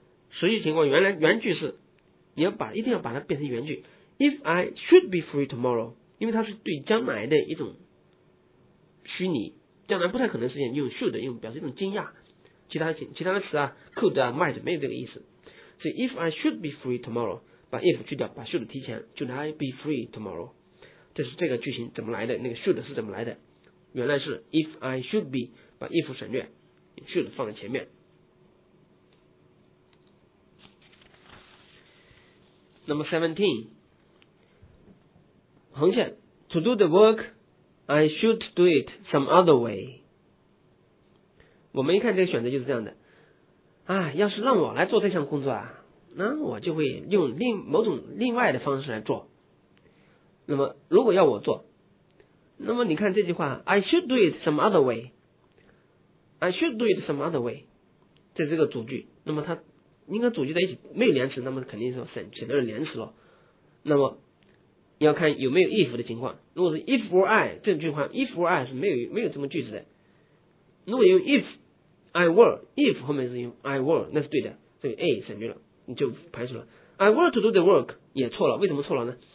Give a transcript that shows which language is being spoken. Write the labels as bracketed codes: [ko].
[zh] 实际情况原句是你要把一定要把它变成原句， [en] If I should be free tomorrow, [zh] 因为它是对将来的一种虚拟，将来不太可能实现，用 should 用表示一种惊讶，其他的词啊 could 啊 might 没有这个意思，所以 If I should be free tomorrow, 把 if 去掉，把 should 提前， [en] should I be free tomorrow, [zh] 这是这个句型怎么来的，那个 should 是怎么来的，原来是 [en] if I should be, [zh] 把 if 省略， should 放在前面。 [en] Number 17, 横线 to do the work, I should do it some other way. [zh] 我们一看这个选择就是这样的，要是让我来做这项工作啊，那我就会用另外的方式来做。那么如果要我做，那么你看这句话 [en] I should do it some other way, [zh] I should do it some other way, 这是个主句，那么它应该主句在一起没有连词，那么肯定是省略了连词了，那么要看有没有 if 的情况，如果是 if were I, 这句话 if were I 是没有这么句子的，如果用 [en] if I were, [zh] if 后面是用 I were, 那是对的，所以 A 省略了你就排除了， [en] I want to do the work [zh] 也错了，为什么错了呢？